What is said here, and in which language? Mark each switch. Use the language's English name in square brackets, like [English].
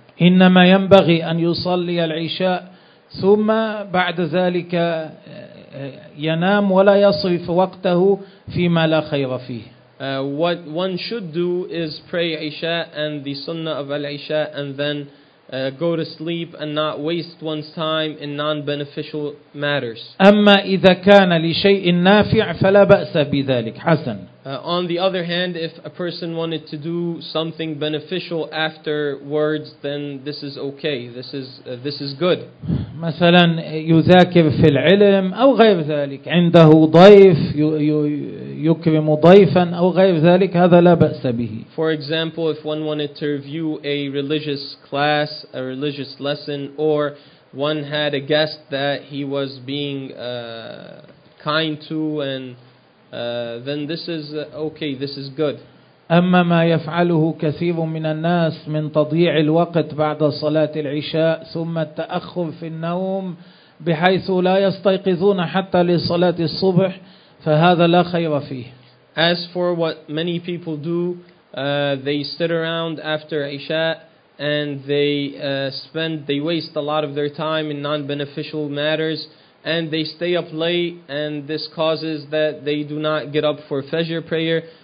[Arabic] إنما ينبغي أن يصلي العشاء ثم بعد ذلك ينام ولا يصرف وقته فيما لا خير فيه. [English] What one should do is pray Isha and the Sunnah of Al-Isha and then go to sleep and not waste one's time in non-beneficial matters. [Arabic] أما إذا كان لشيء نافع فلا بأس بذلك. حسن. [English] On the other hand, if a person wanted to do something beneficial afterwards, then this is okay. This is good. [Arabic] مثلا يذاكر في العلم أو غير ذلك. عنده ضيف يكرم ضيفا أو غير ذلك. هذا لا بأس به. [English] For example, if one wanted to review a religious class, a religious lesson, or one had a guest that he was being kind to and then this is okay, this is good. [Arabic] أما ما يفعله كثير من الناس من تضيع الوقت بعد صلاة العشاء ثم التأخر في النوم بحيث لا يستيقظون حتى لصلاة الصبح فهذا لا خير فيه. [English] As for what many people do, they sit around after Isha and they waste a lot of their time in non-beneficial matters. And they stay up late, and this causes that they do not get up for Fajr prayer.